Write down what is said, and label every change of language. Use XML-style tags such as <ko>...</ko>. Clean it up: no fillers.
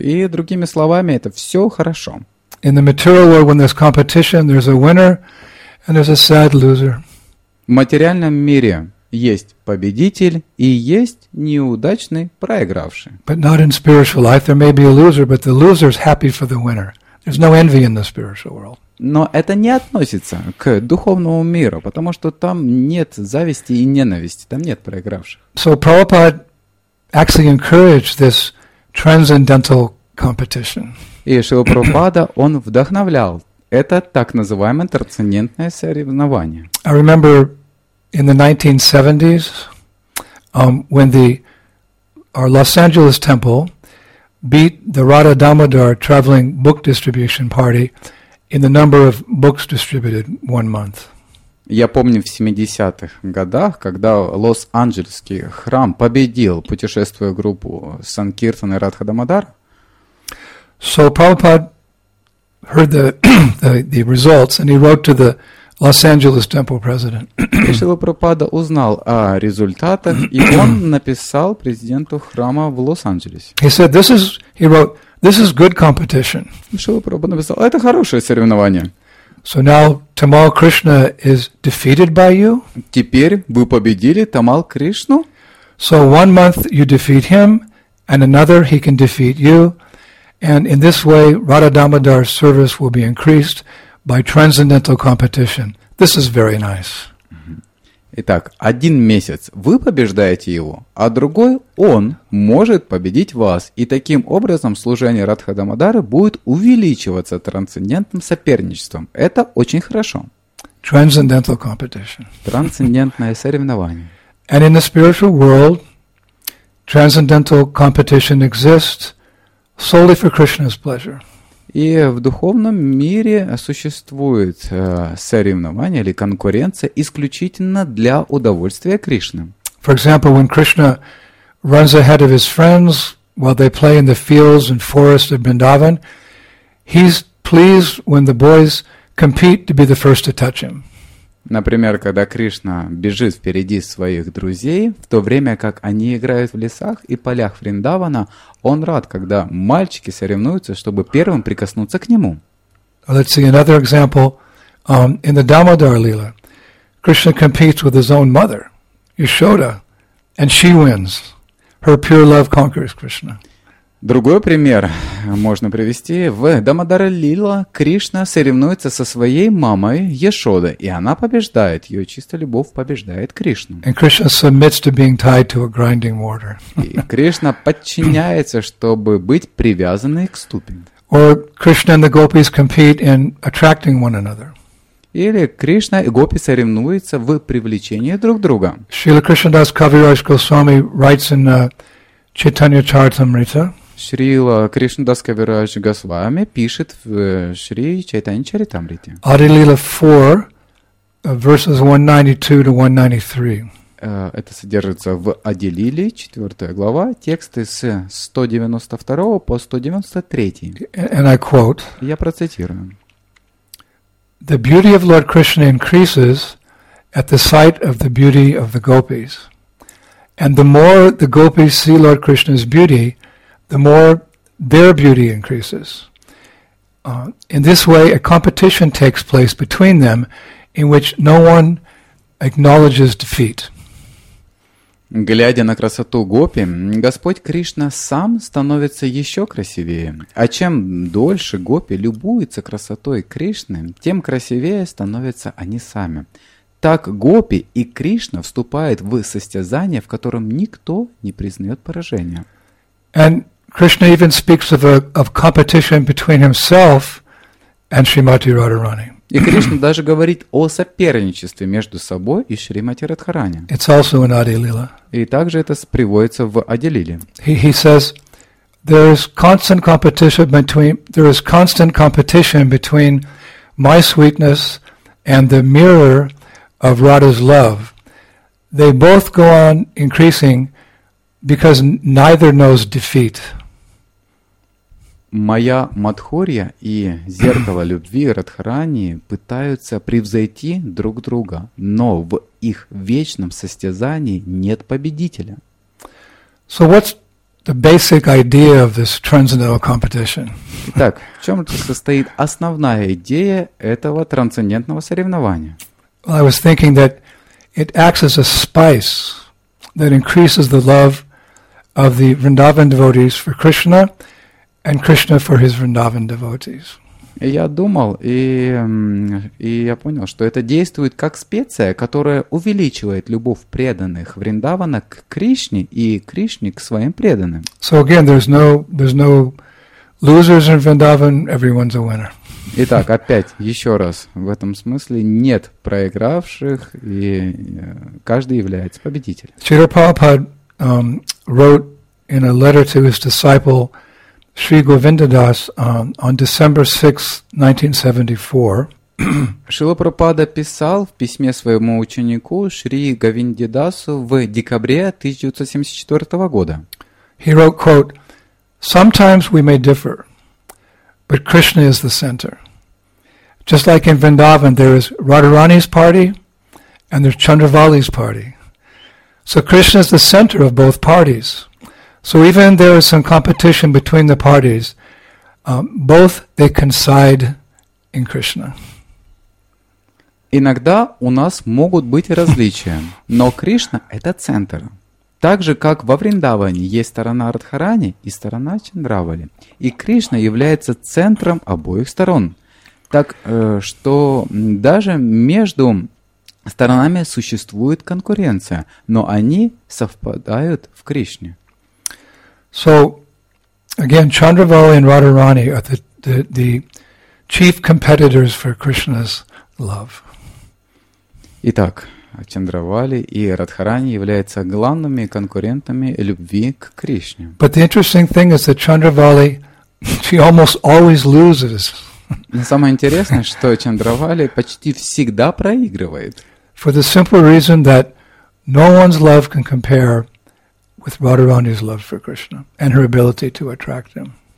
<ru>И другими словами, это все хорошо.</ru> <en>In the material world, when there's competition, there's a winner and there's a sad loser.</en> <ru>В материальном мире есть победитель и есть неудачный проигравший.</ru> <en>But not in spiritual life. There may be a loser, but the loser is happy for the winner. There's no envy in the spiritual world.</en> <ru>Но это не относится к духовному миру, потому что там нет зависти и ненависти, там нет проигравших.</ru> <en>So Prabhupada actually encouraged this transcendental competition.</en> <ru>И Шрила Прабхупада, он вдохновлял это так называемое трансцендентное соревнование.</ru> <en>I remember in the 1970s, when our Los Angeles temple beat the Radha Damodar traveling book distribution party in the number of books distributed one month.</en> <ru>Я помню в 70-х годах, когда Лос-Анджелесский храм победил путешествуя группу Санкиртана и Радха Дамодар.</ru> <en>So Prabhupada heard the results and he wrote to the Los Angeles temple president.</en> <ru>Шрила Прабхупада узнал о результатах, и он написал президенту храма в Лос-Анджелесе.</ru> <en>He wrote, this is good competition.</en> <ru>Шрила Прабхупада написал, это хорошее соревнование.</ru> <en>So now Tomorrow Krishna is defeated by you.</en> <ru>Теперь вы победили Tamal Krishna.</ru> <en>So one month you defeat him, and another he can defeat you. And in this way, Radha Damodar's service will be increased by transcendental competition. This is very nice.</en> <ru>Итак, один месяц вы побеждаете его, а другой он может победить вас. И таким образом служение Радха Дамодары будет увеличиваться трансцендентным соперничеством. Это очень хорошо.</ru> <en>Transcendental competition.</en> <ru>Трансцендентное соревнование.</ru> <en>And in the spiritual world, transcendental competition exists solely for Krishna's pleasure.</en> <ru>И в духовном мире существует соревнование или конкуренция исключительно для удовольствия Кришны.</ru> <en>For example, when Krishna runs ahead of his friends while they play in the fields and forests of Vrindavan, he's pleased when the boys compete to be the first to touch him.</en> <ru>Например, когда Кришна бежит впереди своих друзей, в то время как они играют в лесах и полях Вриндавана, он рад, когда мальчики соревнуются, чтобы первым прикоснуться к нему.</ru> <en>Let's see another example. In the Damodar Lila, Krishna competes with his own mother, Yashoda, and she wins. Her pure love conquers Krishna.</en> <ru>Другой пример можно привести. В Дамодара Лила Кришна соревнуется со своей мамой Яшодой, и она побеждает. Ее чистая любовь побеждает Кришну.</ru> <en>And Krishna submits to being tied to a grinding mortar.</en> <ru>И Кришна подчиняется, чтобы быть привязанной к ступе.</ru> <en>Or Krishna and the gopis compete in attracting one another.</en> <ru>Или Кришна и гопи соревнуются в привлечении друг друга.</ru> <en>Шрила Кришнадас Кавирадж Госвами writes in Chaitanya Charitamrita.</en> <ru>Шрила Кришнадас Кавирадж Госвами пишет в Шри Чайтанья Чаритамрите.</ru> <en>Адилила 4, verses 192-193.</en> <ru>Это содержится в Адилиле, 4 глава, тексты с 192 по 193.</ru> <en>And I quote.</en> <ru>Я процитирую.</ru> <en>The beauty of Lord Krishna increases at the sight of the beauty of the gopis. And the more the gopis see Lord Krishna's beauty, the more their beauty increases. In this way, a competition takes place between them in which no one acknowledges defeat.</en> <ru>Глядя на красоту гопи, Господь Кришна сам становится еще красивее. А чем дольше гопи любуются красотой Кришны, тем красивее становятся они сами. Так гопи и Кришна вступают в состязание, в котором никто не признает поражения.</ru> <en>And Krishna even speaks of competition between himself and Shrimati Radharani.</en> <ru>И Кришна даже говорит о соперничестве между собой и Шримати Радхарани.</ru> <en>It's also in Adilila.</en> <ru>И также это приводится в Адилиле.</ru> <en>He says there is constant competition between my sweetness and the mirror of Radha's love. They both go on increasing because neither knows defeat.</en> <ru>Моя Мадхурья и зеркало любви Радхарани пытаются превзойти друг друга, но в их вечном состязании нет победителя.</ru> <en>So what's the basic idea of this transcendental competition?</en> <ru>Так, в чем состоит основная идея этого трансцендентного соревнования?</ru> <en>Well, I was thinking that it acts as a spice that increases the love of the Vrindavan devotees for Krishna and Krishna for his Vrindavan devotees.</en> <ru>Я думал и я понял, что это действует как специя, которая увеличивает любовь преданных Вриндавана к Кришне и Кришне к своим преданным.</ru> <en>So again, there's no losers in Vrindavan, everyone's a winner.</en> <ru>Итак, опять, еще раз, в этом смысле нет проигравших, и каждый является победителем.</ru> <en>Шрила Прабхупада wrote in a letter to his disciple Shri Govindadas on December 6, 1974.</en> <ru>Шрила Прабхупада писал в письме своему ученику Шри Говиндадасу в декабре 1974 года.</ru> <en>He wrote, quote, "Sometimes we may differ, but Krishna is the center. Just like in Vrindavan, there is Radharani's party and there's Chandravali's party. So Krishna is the center of both parties. So even if there is some competition between the parties, both they coincide in Krishna."</en> <ru>Иногда у нас могут быть различия, но Кришна – это центр. Так же, как во Вриндаване есть сторона Радхарани и сторона Чандравали. И Кришна является центром обоих сторон. Так что даже между сторонами существует конкуренция, но они совпадают в Кришне.</ru> <en>So, again, Chandravali and Radharani are the chief competitors for Krishna's love.</en> <ru>Итак, Чандравали и Радхарани являются главными конкурентами любви к Кришне.</ru> <en>But the interesting thing is that Chandravali, she almost always loses.</en> <ru>Но самое интересное, что Чандравали почти всегда проигрывает.</ru> <en>For the simple reason that no one's love can compare with Radharani's love for Krishna and her ability to attract him.</en>